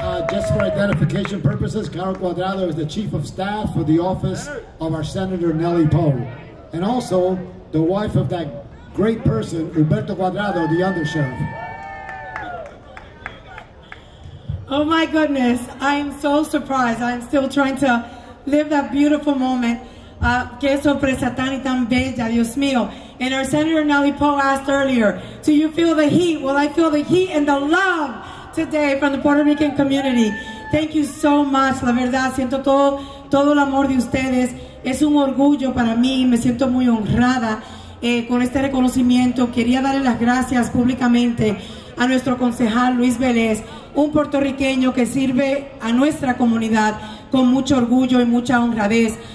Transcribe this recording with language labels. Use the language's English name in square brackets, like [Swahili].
[English] Just for identification purposes, Carol Cuadrado is the chief of staff for the office of our Senator Nelly Poe, and also the wife of that great person, Roberto Cuadrado, the undersheriff. Oh my goodness, I am so surprised. I'm still trying to live that beautiful moment. [Spanish] Que sorpresa tan y tan bella, Dios mío. [English] And our Senator Nelly Poe asked earlier, do you feel the heat? Well, I feel the heat and the love today from the Puerto Rican community. Thank you so much. [Spanish] La verdad, siento todo el amor de ustedes. Es un orgullo para mí. Me siento muy honrada con este reconocimiento. Quería darle las gracias públicamente a nuestro concejal Luis Vélez, un puertorriqueño que sirve a nuestra comunidad con mucho orgullo y mucha honradez.